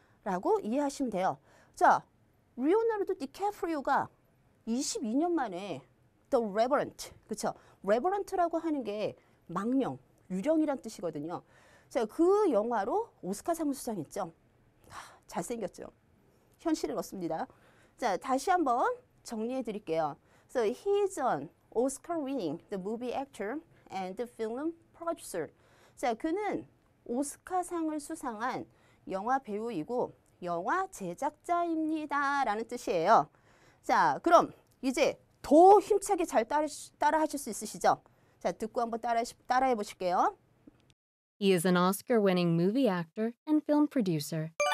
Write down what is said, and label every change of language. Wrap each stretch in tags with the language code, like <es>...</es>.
<ko>라고 이해하시면 돼요. 자, 리오나르도 디카프리오가 22년 만에 The Revenant, 그렇죠? Revenant라고 하는 게 망령, 유령이란 뜻이거든요. 자, 그 영화로 오스카상을 수상했죠. 하, 잘생겼죠. 현실은 없습니다. 자, 다시 한번 정리해 드릴게요.</ko> <en>So he's an Oscar-winning the movie actor and the film producer.</en> <ko>자, 그는 오스카상을 수상한 영화 배우이고 영화 제작자입니다라는 뜻이에요. 자, 그럼 이제 더 힘차게 잘 따라하실 수 있으시죠? 자, 듣고 한번 따라해 보실게요.</ko> <en>He is an Oscar-winning movie actor and film producer.</en>